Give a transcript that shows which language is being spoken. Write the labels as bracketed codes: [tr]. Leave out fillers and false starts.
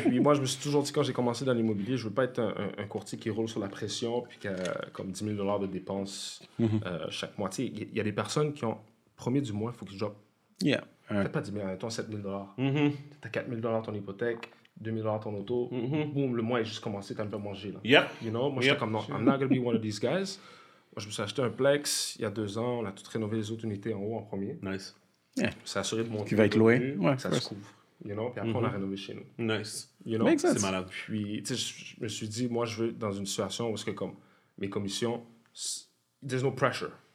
[fr] Puis moi, je me suis toujours dit, quand j'ai commencé dans l'immobilier, je veux pas être un courtier qui roule sur la pression puis qui a comme 10 000 $ de dépenses chaque mois. Tu sais, il y a des personnes qui ont, premier du mois, il faut que je drop. [en] Yeah. [fr] Peut-être pas 10 000, mettons 7 000 $. Mm-hmm. Tu as 4 000 $ ton hypothèque, 2 000 $ ton auto. Mm-hmm. Boum, le mois est juste commencé, tu as un peu mangé. Là. [en] Yep. You know? [fr] Moi, j'étais comme, non, [en] I'm not going to be one of these guys. [fr] Moi, je me suis acheté un plex il y a 2 ans. On a tout rénové les autres unités en haut en premier. [en] Nice. Yeah. [fr] C'est assuré de monter. Qui va être loué. Ouais, ça se couvre. [en] You know? [fr] Puis après, on a rénové chez nous. [en] Nice. You know? Makes sense. [fr] C'est malade. Puis, tu sais, je me suis dit, moi, je veux être dans une situation où, parce que comme mes commissions, [en] there's no pressure.